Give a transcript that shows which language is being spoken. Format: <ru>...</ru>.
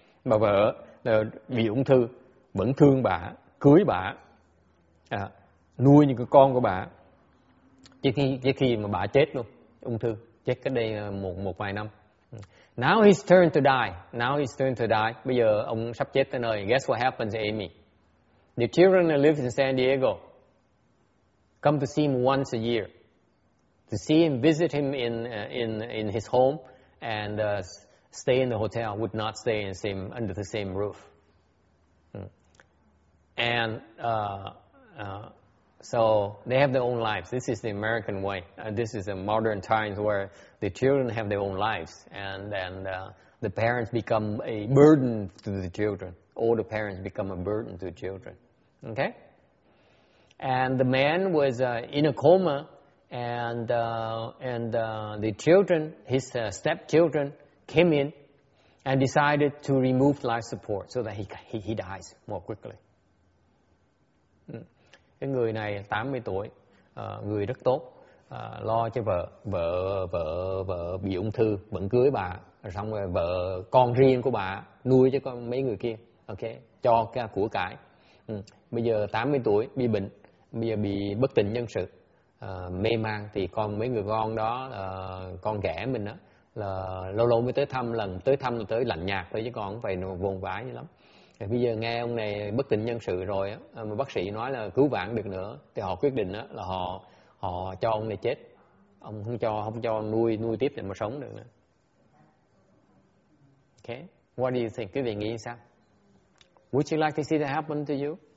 <vi>Mà vợ bị ung thư vẫn thương bà, cưới bà, nuôi những cái con của bà. Trước khi mà bà chết luôn, ung thư, chết cách đây một vài năm.</vi> <en>Now his turn to die.</en> <vi>Bây giờ ông sắp chết tới nơi.</vi> <en>Guess what happens, Amy? The children that live in San Diego come to see him once a year, to see him, visit him in his home, and stay in the hotel. Would not stay in the same under the same roof. And so they have their own lives. This is the American way. This is the modern times where the children have their own lives, and the parents become a burden to the children. All the parents become a burden to the children. Okay. And the man was in a coma, and the children, his stepchildren, came in and decided to remove life support so that he dies more quickly.</en> <vi>Cái người này 80 tuổi, người rất tốt, lo cho vợ bị ung thư, vẫn cưới bà, xong rồi vợ con riêng của bà nuôi cho con mấy người kia, okay, cho cái của cải. Bây giờ 80 tuổi bị bệnh, bây giờ bị bất tỉnh nhân sự, mê man, thì con mấy người con đó, con ghẻ mình đó, là lâu lâu mới tới thăm lần, tới thăm tới lạnh nhạt thôi chứ con không phải vồn vãi như lắm. Bây giờ nghe ông này bất tỉnh nhân sự rồi á, mà bác sĩ nói là cứu vãn được nữa, thì họ quyết định á là họ cho ông này chết, ông không cho nuôi tiếp để mà sống được nữa.</vi> <en>Okay, what do you think?</en> <vi>Quý vị nghĩ sao?</vi> <en>Would you like to see that happen to you?</en>